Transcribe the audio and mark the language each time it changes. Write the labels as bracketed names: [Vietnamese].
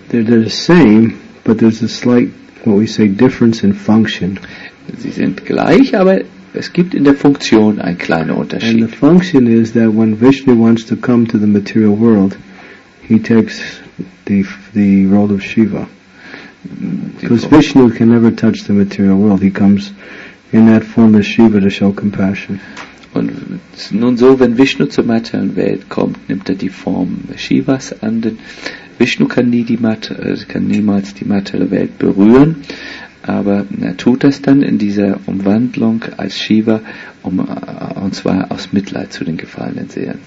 [English] They're the same, but there's a slight, what we say, difference in function. [German] Sie sind gleich, aber es gibt in der Funktion einen kleinen Unterschied. [English] And the function is that when Vishnu wants to come to the material world, he takes the role of Shiva. Because Vishnu can never touch the material world. He comes in that form as Shiva to show compassion. [German] Und nun so, wenn Vishnu zur materiellen Welt kommt, nimmt die Form Shivas an. Denn Vishnu kann niemals die materielle Welt berühren. Aber er tut das dann in dieser Umwandlung als Shiva, und zwar aus Mitleid zu den gefallenen Seelen.